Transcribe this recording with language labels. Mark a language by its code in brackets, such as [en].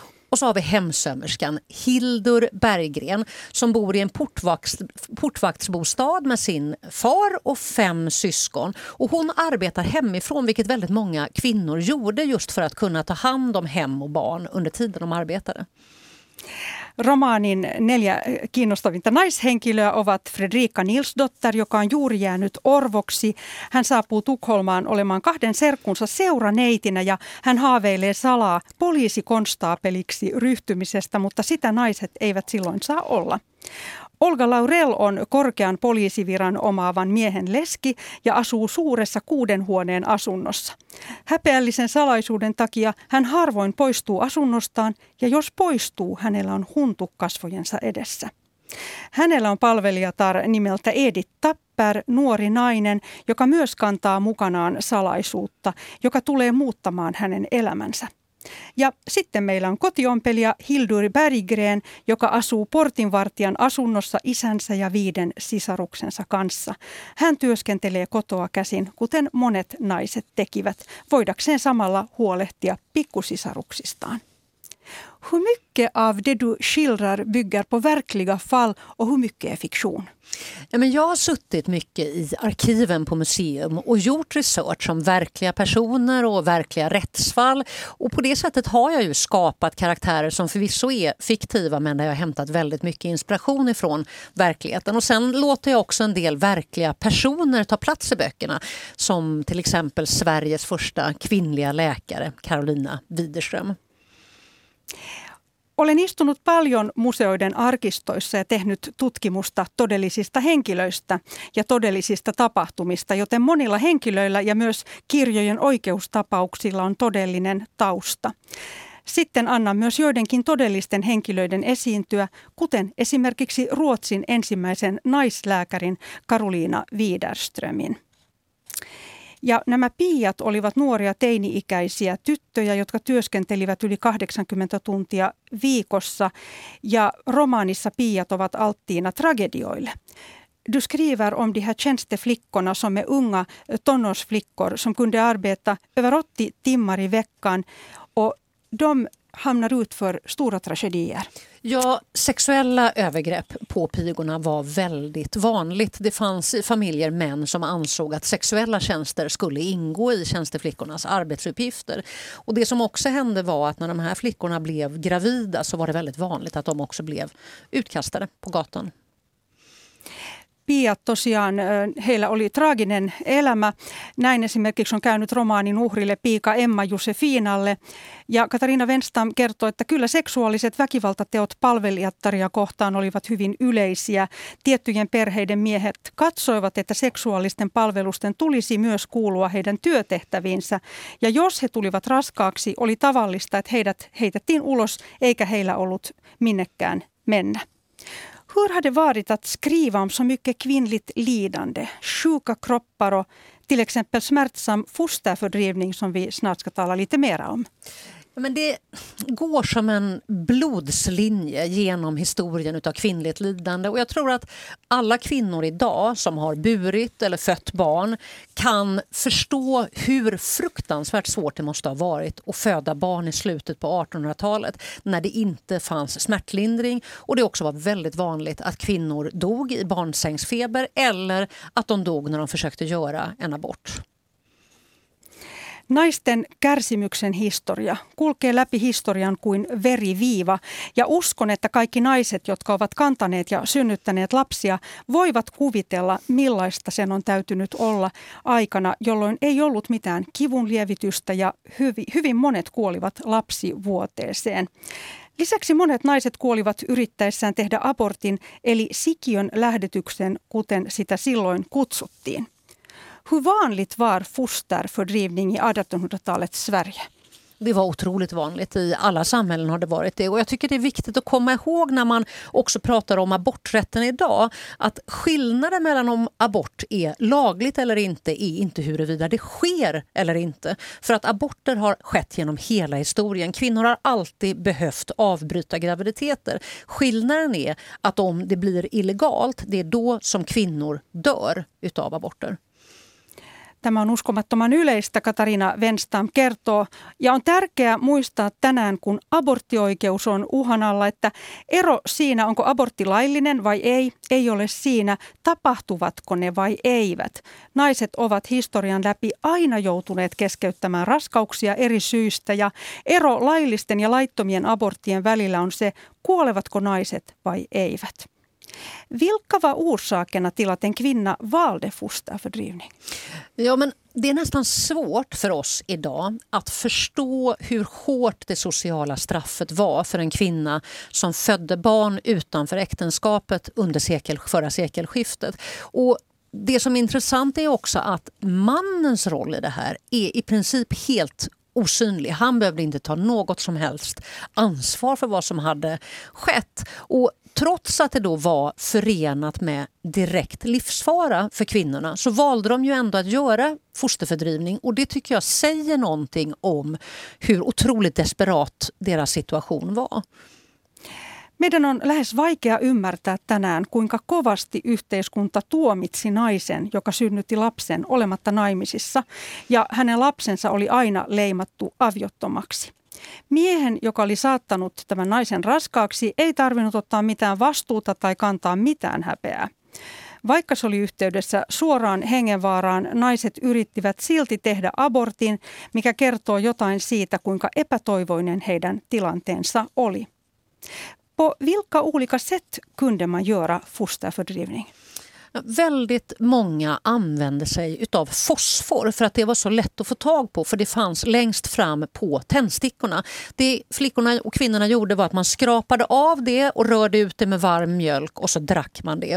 [sv] Och så har vi hemsömmerskan Hildur Berggren som bor i en portvaktsbostad med sin far och fem syskon. Och hon arbetar hemifrån, vilket väldigt många kvinnor gjorde just för att kunna ta hand om hem och barn under tiden de arbetade. [fi] Romaanin neljä kiinnostavinta naishenkilöä ovat Fredrika Nilsdotter, joka on juuri jäänyt orvoksi. Hän saapuu Tukholmaan olemaan kahden serkkunsa seuraneitinä, ja hän haaveilee salaa poliisikonstaapeliksi ryhtymisestä, mutta sitä naiset eivät silloin saa olla. Olga Laurell on korkean poliisiviran omaavan miehen leski ja asuu suuressa kuuden huoneen asunnossa. Häpeällisen salaisuuden takia hän harvoin poistuu asunnostaan, ja jos poistuu, hänellä on huntu kasvojensa edessä. Hänellä on palvelijatar nimeltä Edith Tapper, nuori nainen, joka myös kantaa mukanaan salaisuutta, joka tulee muuttamaan hänen elämänsä. Ja sitten meillä on kotiompelija Hildur Berggren, joka asuu portinvartijan asunnossa isänsä ja viiden sisaruksensa kanssa. Hän työskentelee kotoa käsin, kuten monet naiset tekivät, voidakseen samalla huolehtia pikkusisaruksistaan. [sv] Hur mycket av det du skildrar bygger på verkliga fall och hur mycket är fiktion? Ja, men jag har suttit mycket i arkiven på museum och gjort research om verkliga personer och verkliga rättsfall. Och på det sättet har jag ju skapat karaktärer som förvisso är fiktiva, men där jag har hämtat väldigt mycket inspiration ifrån verkligheten. Och sen låter jag också en del verkliga personer ta plats i böckerna, som till exempel Sveriges första kvinnliga läkare, Carolina Widerström. [fi] Olen istunut paljon museoiden arkistoissa ja tehnyt tutkimusta todellisista henkilöistä ja todellisista tapahtumista, joten monilla henkilöillä ja myös kirjojen oikeustapauksilla on todellinen tausta. Sitten annan myös joidenkin todellisten henkilöiden esiintyä, kuten esimerkiksi Ruotsin ensimmäisen naislääkärin Karoliina Widerströmin. Ja nämä piiat olivat nuoria teini-ikäisiä tyttöjä, jotka työskentelivät yli 80 tuntia viikossa. Ja romaanissa piiat ovat alttiina tragedioille. [sv] Du skriver om de här tjänsteflickorna som är unga tonårsflickor som kunde arbeta över 80 timmar i veckan. Och de hamnar ut för stora tragedier. Ja, sexuella övergrepp på pigorna var väldigt vanligt. Det fanns i familjer män som ansåg att sexuella tjänster skulle ingå i tjänsteflickornas arbetsuppgifter. Och det som också hände var att när de här flickorna blev gravida så var det väldigt vanligt att de också blev utkastade på gatan. [fi] Pia, tosiaan heillä oli traaginen elämä. Näin esimerkiksi on käynyt romaanin uhrille Piika Emma Josefinalle. Ja Katariina Wenstam kertoi, että kyllä seksuaaliset väkivaltateot palvelijattaria kohtaan olivat hyvin yleisiä. Tiettyjen perheiden miehet katsoivat, että seksuaalisten palvelusten tulisi myös kuulua heidän työtehtäviinsä. Ja jos he tulivat raskaaksi, oli tavallista, että heidät heitettiin ulos eikä heillä ollut minnekään mennä. [sv] Hur har det varit att skriva om så mycket kvinnligt lidande, sjuka kroppar och till exempel smärtsam fosterfördrivning som vi snart ska tala lite mer om? Men det går som en blodslinje genom historien av kvinnligt lidande. Och jag tror att alla kvinnor idag som har burit eller fött barn kan förstå hur fruktansvärt svårt det måste ha varit att föda barn i slutet på 1800-talet när det inte fanns smärtlindring. Och det också var väldigt vanligt att kvinnor dog i barnsängsfeber eller att de dog när de försökte göra en abort. [fi] Naisten kärsimyksen historia kulkee läpi historian kuin veriviiva, ja uskon, että kaikki naiset, jotka ovat kantaneet ja synnyttäneet lapsia, voivat kuvitella, millaista sen on täytynyt olla aikana, jolloin ei ollut mitään kivunlievitystä ja hyvin monet kuolivat lapsivuoteeseen. Lisäksi monet naiset kuolivat yrittäessään tehdä abortin, eli sikiön lähdetyksen, kuten sitä silloin kutsuttiin. [sv] Hur vanligt var fosterfördrivning i 1800-talets Sverige? Det var otroligt vanligt. I alla samhällen har det varit det. Och jag tycker det är viktigt att komma ihåg när man också pratar om aborträtten idag. Att skillnaden mellan om abort är lagligt eller inte är inte huruvida det sker eller inte. För att aborter har skett genom hela historien. Kvinnor har alltid behövt avbryta graviditeter. Skillnaden är att om det blir illegalt, det är då som kvinnor dör utav aborter. [fi] Tämä on uskomattoman yleistä, Katariina Wenstam kertoo, ja on tärkeää muistaa tänään, kun aborttioikeus on uhan alla, että ero siinä, onko abortti laillinen vai ei, ei ole siinä, tapahtuvatko ne vai eivät. Naiset ovat historian läpi aina joutuneet keskeyttämään raskauksia eri syistä, ja ero laillisten ja laittomien aborttien välillä on se, kuolevatko naiset vai eivät. [sv] Vilka var orsakerna till att en kvinna valde fosterfördrivning? Ja, men det är nästan svårt för oss idag att förstå hur hårt det sociala straffet var för en kvinna som födde barn utanför äktenskapet under förra sekelskiftet. Och det som är intressant är också att mannens roll i det här är i princip helt osynlig. Han behövde inte ta något som helst ansvar för vad som hade skett. Och trots att det då var förenat med direkt livsfara för kvinnorna så valde de ju ändå att göra fosterfördrivning. Och det tycker jag säger någonting om hur otroligt desperat deras situation var. [fi] Meidän on lähes vaikea ymmärtää tänään, kuinka kovasti yhteiskunta tuomitsi naisen, joka synnytti lapsen olematta naimisissa, ja hänen lapsensa oli aina leimattu aviottomaksi. Miehen, joka oli saattanut tämän naisen raskaaksi, ei tarvinnut ottaa mitään vastuuta tai kantaa mitään häpeää. Vaikka se oli yhteydessä suoraan hengenvaaraan, naiset yrittivät silti tehdä abortin, mikä kertoo jotain siitä, kuinka epätoivoinen heidän tilanteensa oli. [sv] På vilka olika sätt kunde man göra fosterfördrivning? Väldigt många använde sig av fosfor för att det var så lätt att få tag på, för det fanns längst fram på tändstickorna. Det flickorna och kvinnorna gjorde var att man skrapade av det och rörde ut det med varm mjölk och så drack man det.